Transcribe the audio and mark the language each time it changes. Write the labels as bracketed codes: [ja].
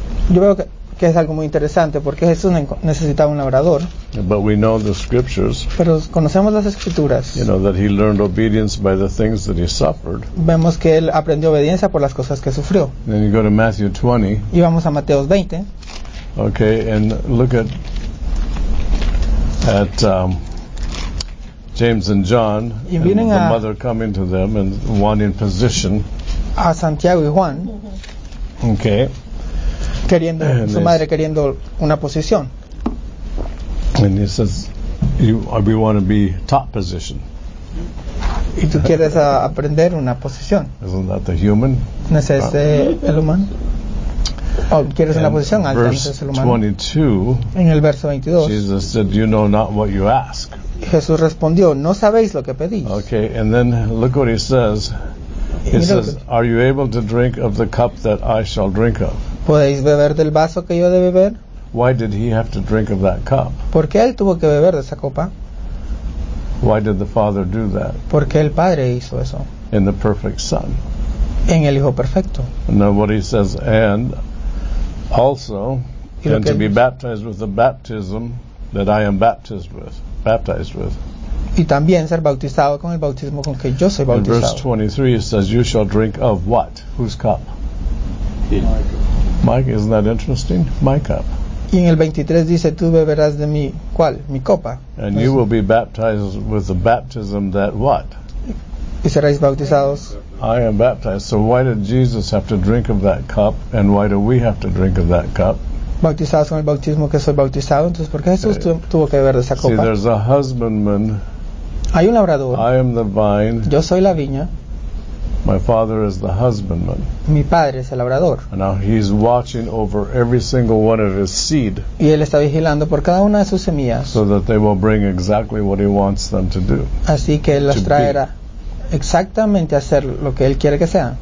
[es] Yo veo que es algo muy interesante porque Jesús necesitaba un labrador. [en] But we know the scriptures. [es] Pero conocemos las escrituras. [en] You know that he learned obedience by the things that he suffered. [es] Vemos que él aprendió obediencia por las cosas que sufrió. [en] Then you go to Matthew 20. [es] Y vamos a Mateo 20. [en] Okay, and look at James and John. [es] Y vienen [en] the mother coming to them and wanting position. [es] A Santiago y Juan. [en] Okay. [es] Queriendo su madre queriendo una posición. [en] And he says, we want to be top position. [es] Y tú quieres aprender una posición. [en] Isn't that the human? [es] ¿No es ese el humano? ¿Quieres una posición alta? [en] Verse 22, [es] en el verso 22, [en] Jesus said, you know not what you ask. [es] Jesús respondió, no sabéis lo que pedís. [en] Okay, and then look what he says. He says, are you able to drink of the cup that I shall drink of? [es] ¿Podéis beber del vaso que yo he de beber? [en] Why did he have to drink of that cup? [es] ¿Por qué él tuvo que beber de esa copa? [en] Why did the Father do that? [es] ¿Por qué el Padre hizo eso? [en] In the perfect Son. [es] En el Hijo perfecto. [en] Now what he says, and also, and to be baptized with the baptism that I am baptized with. [es] Y también ser bautizado con el bautismo con que yo soy bautizado. [en] In verse 23 it says, you shall drink of what? Whose cup? My cup. Mike, isn't that interesting? My cup. [es] Y en el 23 dice, tú beberás de mi, ¿cuál? Mi copa. [en] And you will be baptized with the baptism that what? [es] Y seréis bautizados. [en] I am baptized. So why did Jesus have to drink of that cup? And why do we have to drink of that cup? [es] Bautizados con el bautismo que soy bautizado. Entonces, ¿por qué Jesús tuvo que beber de esa copa? [en] See, there's a husbandman. [es] Hay un labrador. [en] I am the vine. [es] Yo soy la viña. [en] My father is the husbandman. [es] Mi padre es el labrador. [en] And now he's watching over every single one of his seed. [es] Y él está vigilando por cada una de sus semillas. [en] So that they will bring exactly what he wants them to do. [es] Así que él las traerá exactamente a hacer lo que él quiere que sea.